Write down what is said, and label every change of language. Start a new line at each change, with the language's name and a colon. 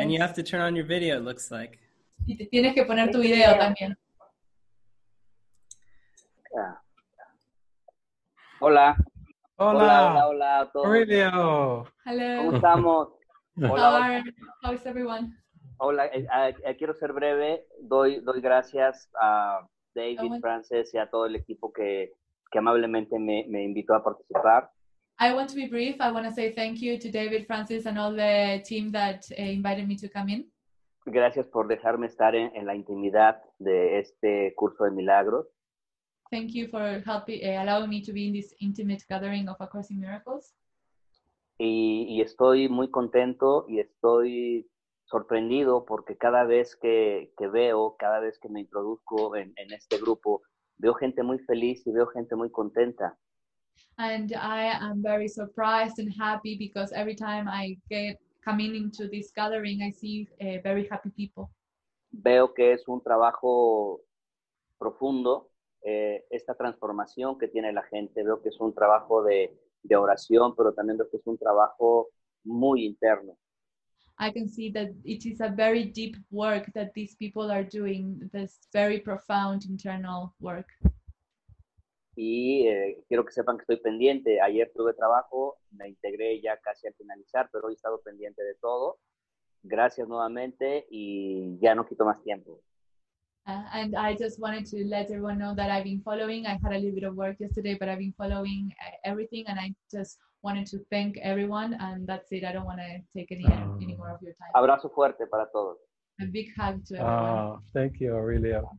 English: And you have to turn on your video, it looks like.
Spanish: Y te tienes que poner tu video también. Hola. Hola. Hola, hola a todos. Aurelio.
English: Hello.
Spanish: ¿Cómo estamos? Hola.
English: How is everyone?
Spanish: Hola, quiero ser breve. Doy gracias a David, Frances y a todo el equipo que amablemente me invitó a participar.
English: I want to be brief. I want to say thank you to David, Frances and all the team that invited me to come in.
Spanish: Gracias por dejarme estar en la intimidad de este curso de milagros.
English: Thank you for allowing me to be in this intimate gathering of A Course in Miracles.
Spanish: Y estoy muy contento y estoy sorprendido porque cada vez que veo, cada vez que me introduzco en este grupo, veo gente muy feliz y veo gente muy contenta.
English: And I am very surprised and happy because every time I come into this gathering, I see very happy people.
Spanish: Veo que es un trabajo profundo. esta transformación que tiene la gente. Veo que es un trabajo de oración, pero también veo que es un trabajo muy interno.
English: I can see that it is a very deep work that these people are doing, this very profound internal work.
Spanish: Y quiero que sepan que estoy pendiente. Ayer tuve trabajo, me integré ya casi al finalizar, pero hoy he estado pendiente de todo. Gracias nuevamente y ya no quito más tiempo.
English: And I just wanted to let everyone know that I've been following. I had a little bit of work yesterday, but I've been following everything, and I just wanted to thank everyone, and that's it. I don't want to take any more of your time.
Spanish: Abrazo fuerte para todos.
English: A big hug to everyone. Oh, thank you, Aurelio.